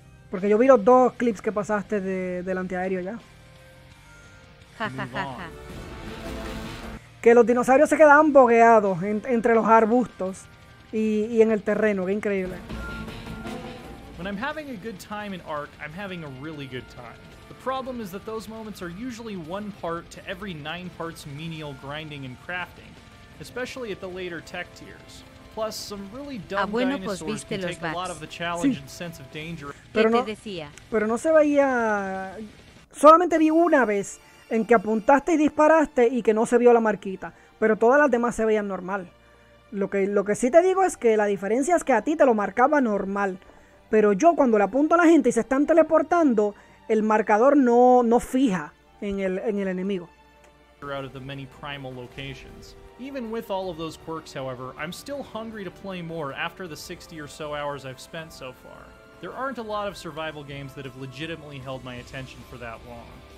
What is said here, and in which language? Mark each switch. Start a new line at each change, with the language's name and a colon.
Spanish: Porque yo vi los dos clips que pasaste del antiaéreo ya. Que los dinosaurios se quedaban bogueados entre los arbustos y en el terreno, qué increíble.
English: When I'm having a good time in Ark, I'm having a really good time. The problem is that those moments are usually one part to every nine parts menial grinding and crafting, especially at the later tech tiers. Plus, some really dumb dinosaurs
Spanish: pues
English: can take bats. A lot of the challenge
Spanish: sí.
English: And sense of danger.
Spanish: Pero no se veía. Solamente vi una vez. En que apuntaste y disparaste y que no se vio la marquita, pero todas las demás se veían normal. Lo que sí te digo es que la diferencia es que a ti te lo marcaba normal, pero yo cuando le apunto a la gente y se están teleportando, el marcador no fija en el enemigo.
English: Out of the many primal locations. Even with all of those quirks, however, I'm still hungry to play more after the 60 or so hours I've spent so far. There aren't a lot of survival games that have legitimately held my attention for that long.